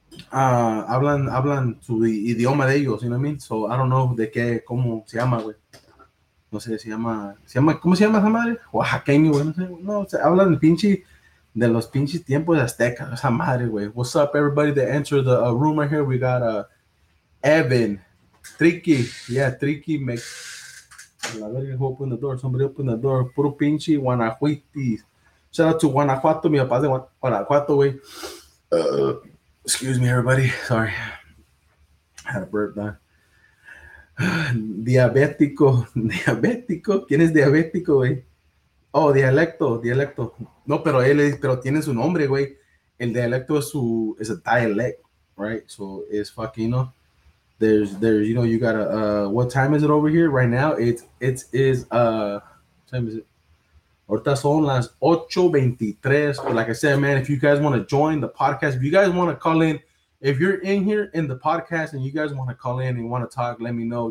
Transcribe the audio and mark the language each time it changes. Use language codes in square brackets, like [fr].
[es] Hablan su idioma de ellos, [en] you know what I mean? So I don't know [es] de qué, cómo se llama, güey. No sé, se llama, ¿cómo se llama esa madre? Oaxaqueño, güey, no sé. No, o sea, hablan el pinche, de los pinches tiempos aztecas, esa madre, güey. [en] What's up, everybody that entered the room right here? We got Evan, Tricky, yeah, Tricky makes. [es] La verga, [en] who opened the door? Somebody opened the door. [es] Puro pinche Guanajuitis. [en] Shout out to Guanajuato, [es] mi papá de Guanajuato, güey. [en] Excuse me, everybody. Sorry. I had a burp, man. Diabético. [es] ¿Quién es diabético, güey? Oh, dialecto. No, pero él es, pero tiene su nombre, güey. El dialecto es su, es [en] a dialect, right? So it's fucking, you know, there's, you know, you gotta, what time is it over here right now? What time is it? [es] Ahorita son las 8:23. [en] Like I said, man, if you guys want to join the podcast, if you guys want to call in, if you're in here in the podcast and you guys want to call in and want to talk, let me know.